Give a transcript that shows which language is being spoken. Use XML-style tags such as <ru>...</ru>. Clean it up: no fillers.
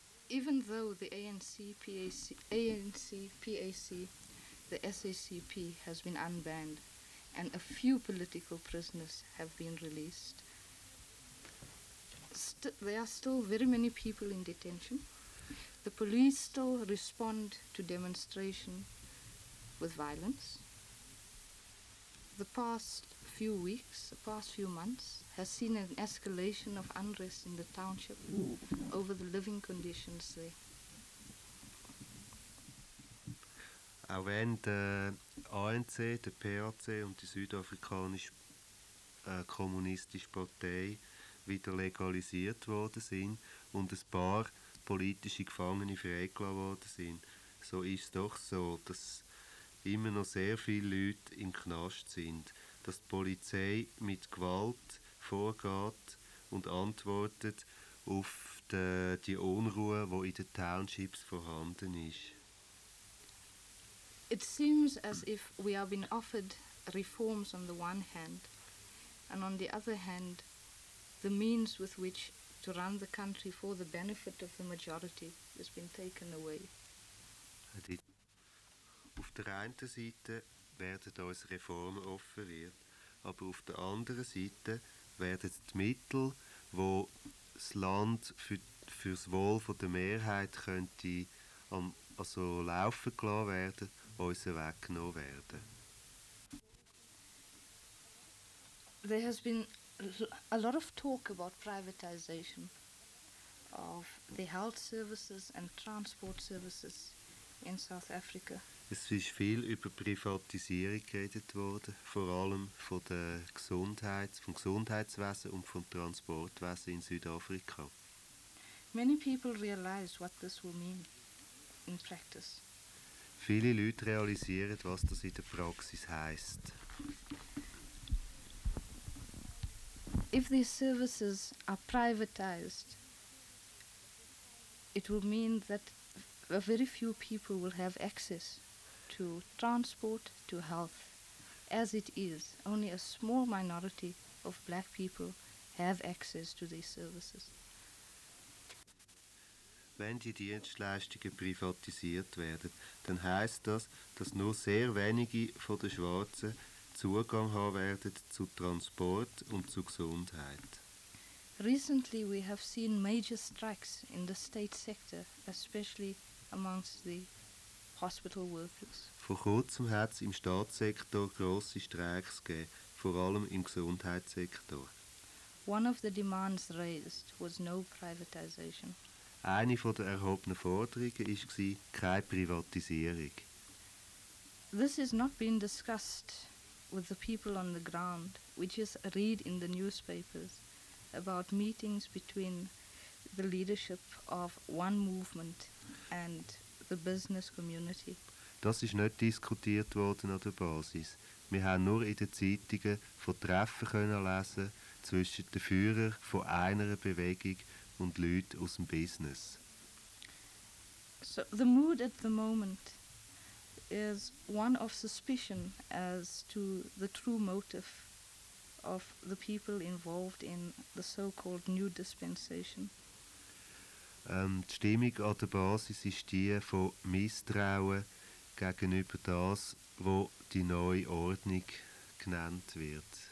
<en>Even though the ANC PAC, the SACP has been unbanned and a few political prisoners have been released, there are still very many people in detention. The police still respond to demonstration with violence. The past few weeks, the past few months, has seen an escalation of unrest in the township over the living conditions there.</en> <de>Auch wenn der ANC, der PAC und die südafrikanische kommunistische Partei wieder legalisiert worden sind und ein paar politische Gefangene freigelassen worden sind, so ist es doch so, dass immer noch sehr viele Leute im Knast sind, dass die Polizei mit Gewalt vorgeht und antwortet auf die Unruhe, die in den Townships vorhanden ist.</de> <en>It seems as if we have been offered reforms on the one hand and on the other hand the means with which to run the country for the benefit of the majority has been taken away.</en> <de>Auf der einen Seite werden uns Reformen offeriert, aber auf der anderen Seite werden die Mittel, wo das Land fürs Wohl von der Mehrheit könnte also laufen gelassen werden, uns weggenommen werden.</de> <en>There has been a lot of talk about privatization of the health services and transport services in South Africa.</en> <de>Es ist viel über Privatisierung geredet worden, vor allem von der Gesundheit, vom Gesundheitswesen und vom Transportwesen in Südafrika.</de> <en>Many people realize what this will mean in practice.</en> <de>Viele Leute realisieren, was das in der Praxis heisst.</de> <en>If these services are privatized, it will mean that very few people will have access to transport, to health. As it is, only a small minority of black people have access to these services.</en> <de>Wenn die Dienstleistungen privatisiert werden, dann heisst das, dass nur sehr wenige von den Schwarzen Zugang haben werden zu Transport und zu Gesundheit.</de> <en>Recently we have seen major strikes in the state sector, especially amongst the hospital workers.</en> <de>Vor kurzem hat es im Staatssektor grosse Streiks gegeben, vor allem im Gesundheitssektor.</de> <en>One of the demands raised was no privatization.</en> <de>Eine von der erhobenen Forderungen ist gsi, keine Privatisierung.</de> <en>This is not being discussed with the people on the ground. We just read in the newspapers about meetings between the leadership of one movement and the business community.</en> <de>Das ist nicht diskutiert worden an der Basis. Wir haben nur in den Zeitungen von Treffen können lesen zwischen den Führern von einer Bewegung und Leuten aus dem Business.</de> <en>So the mood at the moment is one of suspicion as to the true motive of the people involved in the so-called new dispensation.</en> <de>Die Stimmung an der Basis ist die von Misstrauen gegenüber das, wo die neue Ordnung genannt wird.</de>